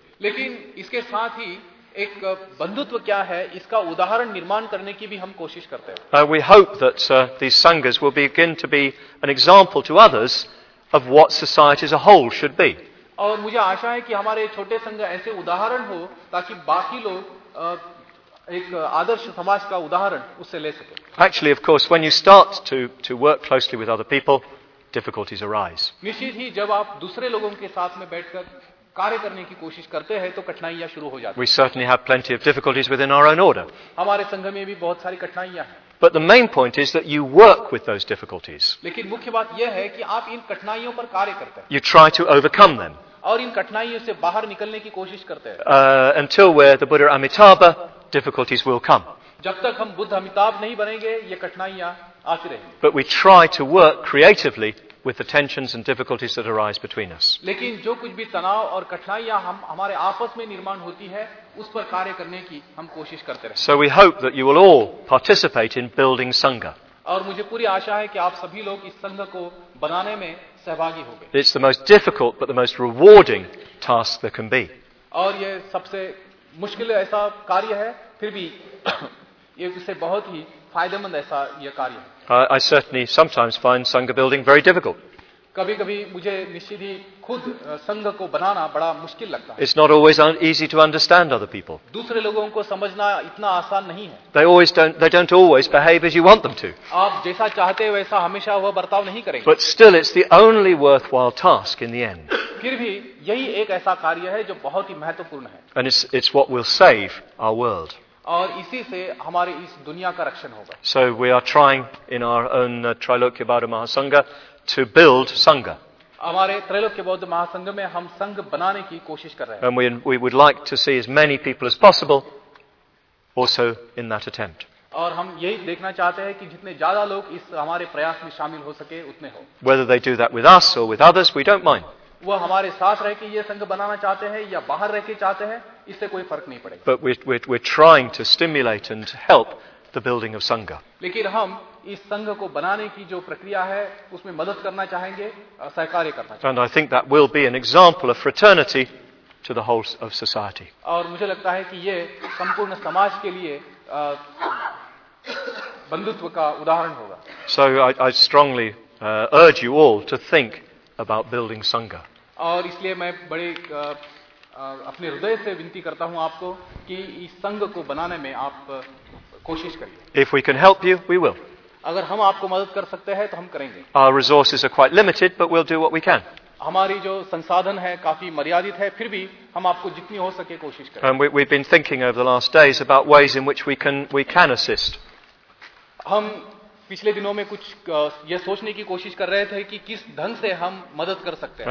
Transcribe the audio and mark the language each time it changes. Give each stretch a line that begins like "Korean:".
Hindi: लेकिन इसके साथ ही एक बंधुत्व क्या है इसका उदाहरण निर्माण करने की भी हम कोशिश करते हैं.
English: We hope that these sanghas will begin to be an example to others of what society as a whole should be.
Hindi: और मुझे आशा है कि हमारे छोटे संघ ऐसे उदाहरण हो ताकि बाकी लोग एक आदर्श समाज का उदाहरण उससे ले सके.
English: Actually, of course, when you start to work closely with other people, difficulties arise.
Hindi: निश्चित ही जब आप दूसरे लोगों के साथ में बैठकर कार्य करने की कोशिश करते हैं तो कठिनाइयां शुरू हो जाती हैं.
English: We certainly have plenty of difficulties within our own order.
Hindi: हमारे संघ में भी बहुत सारी कठिनाइयां हैं.
English: But the main point is that you work with those difficulties.
Hindi: लेकिन मुख्य बात यह है कि आप इन कठिनाइयों पर कार्य करते हैं.
English: You try to overcome them.
Hindi: और इन कठिनाइयों से बाहर निकलने की कोशिश करते हैं.
English: Until where the Buddha Amitabha, difficulties will come.
Hindi: जब तक हम बुद्ध अमिताभ नहीं बनेंगे ये कठिनाइयां आती रहेंगी.
English: But we try to work creatively with the tensions and difficulties that arise between us.
Hindi: लेकिन जो कुछ भी तनाव और कठिनाइयां हम हमारे आपस में निर्माण होती है उस पर कार्य करने की हम कोशिश करते रहे.
English: So we hope that you will all participate in building sangha.
Hindi: और मुझे पूरी आशा है कि आप सभी लोग इस संघ को बनाने में सहभागी होंगे.
English: It's the most difficult but the most rewarding task there can be.
Hindi: और ये सबसे मुश्किल ऐसा कार्य है फिर भी ये उससे बहुत ही फायदेमंद ऐसा यह कार्य है.
English: I certainly sometimes find sangha building very difficult.
Hindi: कभी-कभी मुझे निश्चित ही खुद संघ को बनाना बड़ा मुश्किल लगता है.
English: It's not always easy to understand other people.
Hindi: दूसरे लोगों को समझना इतना आसान नहीं है.
English: They don't always behave as you want them to.
Hindi: आप जैसा चाहते वैसा हमेशा वह बर्ताव नहीं करेंगे.
English: But still it's the only worthwhile task in the end.
Hindi: फिर भी यही एक ऐसा कार्य है जो बहुत ही महत्वपूर्ण है.
English: And it's what will save our world.
Hindi: और इसी से हमारे इस दुनिया का रक्षण होगा.
English: So we are trying in our own Trailokya Buddha Mahasangha to build sangha.
Hindi: हमारे त्रैलोक्य बौद्ध महासंघ में हम संघ बनाने की कोशिश कर रहे हैं.
English: And we would like to see as many people as possible also in that attempt.
Hindi: और हम यही देखना चाहते हैं कि जितने ज्यादा लोग इस हमारे प्रयास में शामिल हो सके उतने हो.
English: Whether they do that with us or with others, we don't mind.
Hindi: वो हमारे साथ रह के ये संघ बनाना चाहते हैं या बाहर रह के चाहते हैं इससे कोई फर्क नहीं पड़ेगा.
English: But we're trying to stimulate and help the building of sangha.
Hindi: लेकिन हम इस संघ को बनाने की जो प्रक्रिया है उसमें मदद करना चाहेंगे सहकार्य करना चाहेंगे.
English: And I think that will be an example of fraternity to the whole of society.
Hindi: और मुझे लगता है कि ये संपूर्ण समाज के लिए बंधुत्व का उदाहरण होगा.
English: So I strongly urge you all to think about building sangha.
Hindi: और इसलिए मैं बड़े अपने हृदय से विनती करता हूं आपको कि इस संघ को बनाने में आप कोशिश करिए.
English: If we can help you, we will.
Hindi: अगर हम आपको मदद कर सकते हैं तो हम करेंगे.
English: Our resources are quite limited, but we'll do what we can.
Hindi: हमारी जो संसाधन है काफी मर्यादित है फिर भी हम आपको जितनी हो सके कोशिश करेंगे.
English: And we've been thinking over the last days about ways in which we can assist.
Hindi: हम पिछले दिनों में कुछ यह सोचने की कोशिश कर रहे थे कि किस ढंग से हम मदद कर सकते हैं.